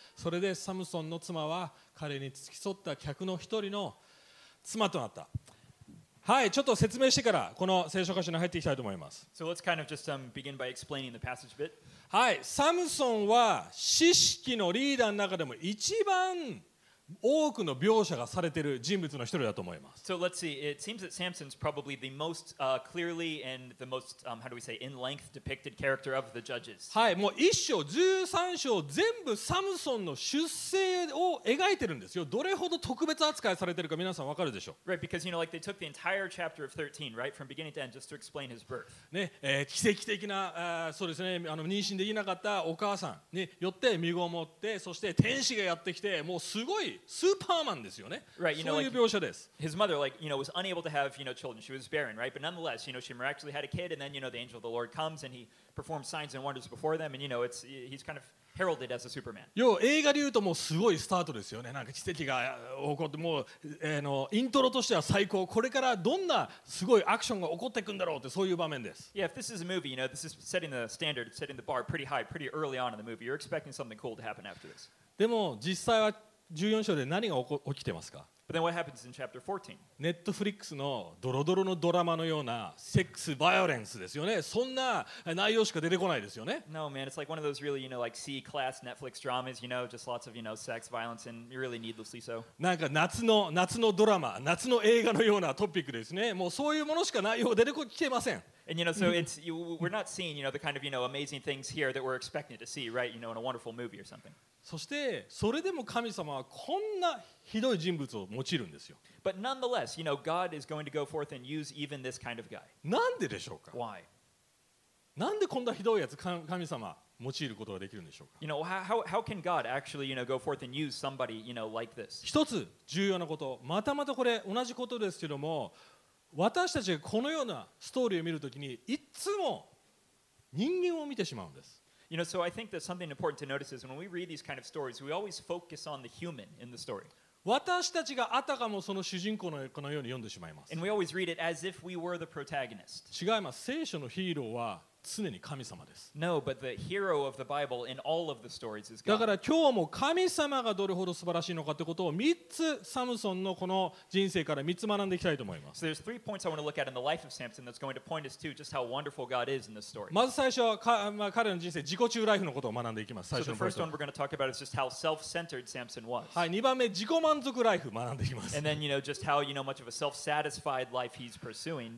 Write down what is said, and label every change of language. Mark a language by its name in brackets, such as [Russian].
[Japanese] それでサムソンの妻は彼に付き添った客の一人の妻となった。はい、ちょっと説明してからこの聖書箇所に入っていきたいと思います。 [English] So let's kind of just begin by explaining the passage a bit. [Japanese] はい、サムソンは四式のリーダーの中でも一番多くの描写がされている人物の一人だと思います。 [English] So let's see. It seems that Samson's probably the most clearly and the most, how do we say, in length depicted character of the judges. [Japanese] はい、もう一章、十三章全部サムソンの出世を描いてるんですよ。どれほど特別扱いされてるか皆さんわかるでしょう。 [English] Right, because you know, like they took the entire chapter of 13, right, from beginning to end, just to explain his birth. [Japanese] ね、奇跡的な、そうですね、妊娠できなかったお母さんによって身ごもって、そして天使がやってきて、もうすごい。スーパーマンですよね。 [English] Right, you know, [Japanese] そういう描写です。 [English] Like, his mother, like, you know, was unable to have, you know, children. She was barren, right? But nonetheless, you know, she miraculously had a kid, and then, you know, the angel of the Lord comes, and he performs signs and wonders before them, and, you know, it's, he's kind of heralded as a Superman. [Japanese] 要は映画で言うともうすごいスタートですよね。なんか奇跡が起こって、もう、イントロとしては最高。これからどんなすごいアクションが起こっていくんだろうって、そういう場面です。 [English] Yeah, if this is a movie, you know, this is setting the standard, setting the bar pretty high, pretty early on in the movie. You're expecting something cool to happen after this. [Japanese] でも実際は14章で何が起きてますか？ [English] But then what happens in chapter 14? [Japanese] Netflix のドロドロのドラマのようなセックスバイオレンスですよね。そんな内容しか出てこないですよね。 [English] No man, it's like one of those really, you know, like C-class Netflix dramas, you know, just lots of, you know, sex, violence, and really needlessly so. [Japanese] なんか夏のドラマ、夏の映画のようなトピックですね。もうそういうものしか内容が出てこきてません。 [English] And you know, so it's you, we're not seeing, you know, the kind of, you know, amazing things here that we're expecting to see, right? You know, in a wonderful movie or something. [Japanese] そしてそれでも神様はこんなひどい人物を用いるんですよ。 [English] But nonetheless, you know, God is going to go forth and use even this kind of guy. [Japanese] なんででしょうか？ [English] Why? [Japanese] なんでこんなひどいやつ神様用いることができるんでしょうか？ [English] You know, how can God actually, you know, go forth and use somebody, you know, like this? [Japanese] 一つ重要なこと、またまたこれ同じことですけども、私たちがこのようなストーリーを見るときにいつも人間を見てしまうんです。 [English] You know, so I think that something important to notice is when we read these kind of stories, we always focus on the human in the story. [Japanese] 私たちがあたかもその主人公のこのように読んでしまいます。 [English] And we always read it as if we were the protagonist. [Japanese] 違います。聖書のヒーローは常に神様です。 [English] No, but the hero of the Bible in all of the stories is God. [Japanese] だから今日も神様がどれほど素晴らしいのかということを3つサムソンのこの人生から3つ学んでいきたいと思います。 [English] So there's three points I want to look at in the life of Samson that's going to point us to just how wonderful God is in this story. [Japanese] まず最初は、彼の人生、自己中ライフのことを学んでいきます。最初の [English] So the first one we're going to talk about is just how self-centered Samson was. [Japanese] はい、2番目、自己満足ライフ学んでいきます。 [English] And then, you know, just how, you know, much of a self-satisfied life he's pursuing.